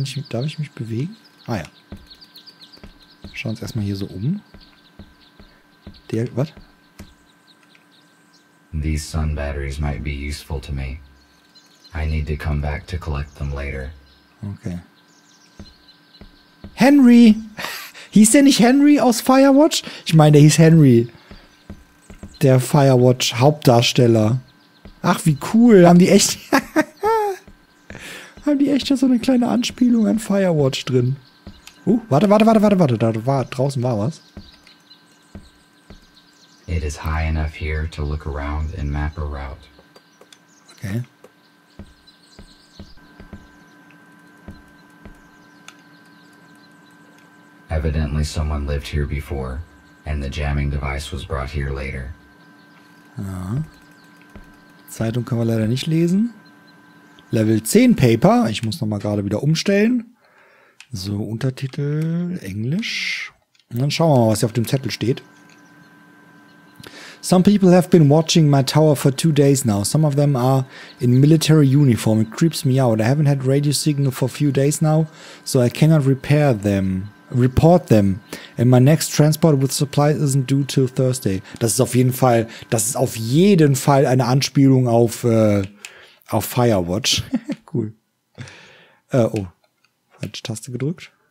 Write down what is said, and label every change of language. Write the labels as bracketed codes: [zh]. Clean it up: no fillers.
[de] Darf ich mich bewegen? Ah ja. Schauen wir uns erstmal hier so um. Was? [en] These sun batteries might be useful to me. I need to come back to collect them later. [de] Okay. Henry! Hieß der nicht Henry aus Firewatch? Ich meine, der hieß Henry. Der Firewatch-Hauptdarsteller. Ach, wie cool. Haben die echt... Haben die echt so eine kleine Anspielung an Firewatch drin. Warte. Draußen war was. [en] It is high enough here to look around and map a route. [de] Okay. [en] Evidently someone lived here before, and the jamming device was brought here later. [de] Ja. Zeitung können wir leider nicht lesen. [en] Level 10 Paper. [de] Ich muss nochmal gerade wieder umstellen. So, Untertitel, Englisch. Und dann schauen wir mal, was hier auf dem Zettel steht. [en] Some people have been watching my tower for 2 days now. Some of them are in military uniform. It creeps me out. I haven't had radio signal for a few days now, so I cannot report them. And my next transport with supplies isn't due till Thursday. [de] Das ist auf jeden Fall eine Anspielung auf Firewatch. Cool. Falsche Taste gedrückt.